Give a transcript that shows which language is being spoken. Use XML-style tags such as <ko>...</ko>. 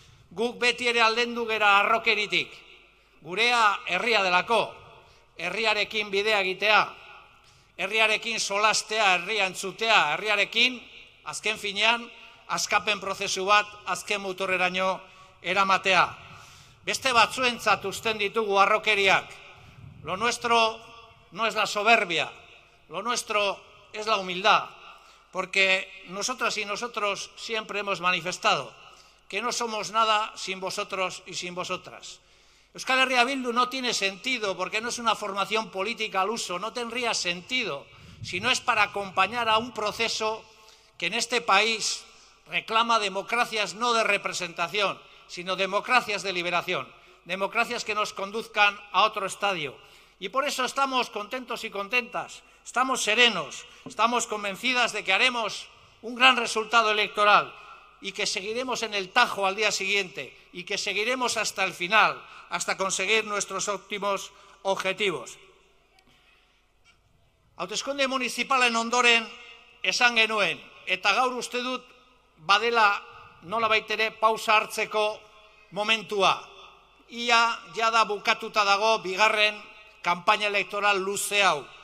<eu>Guk beti ere aldendu gera harrokeritik. Gurea herria delako, herriarekin bidea egitea, herriarekin solastea, herria entzutea, herriarekin, azken finean, askapen prozesu bat, azken muturreraino eramatea. Beste batzuentzat uzten ditugu harrokeriak.</eu> <es>Lo nuestro no es la soberbia, lo nuestro es la humildad, porque nosotras y nosotros siempre hemos manifestado que no somos nada sin vosotros y sin vosotras. Euskal Herria Bildu no tiene sentido porque no es una formación política al uso, no tendría sentido si no es para acompañar a un proceso que en este país reclama democracias no de representación, sino democracias de liberación, democracias que nos conduzcan a otro estadio. Y por eso estamos contentos y contentas, estamos serenos, estamos convencidas de que haremos un gran resultado electoral y que seguiremos en el tajo al día siguiente y que seguiremos hasta el final, hasta conseguir nuestros óptimos objetivos.</es> <eu>Hauteskunde municipalen ondoren esan genuen, eta gaur uste dut badela nolabait ere pausa hartzeko momentua. Ia jada bukatuta dago bigarren kanpaina elektoral luze hau.</eu>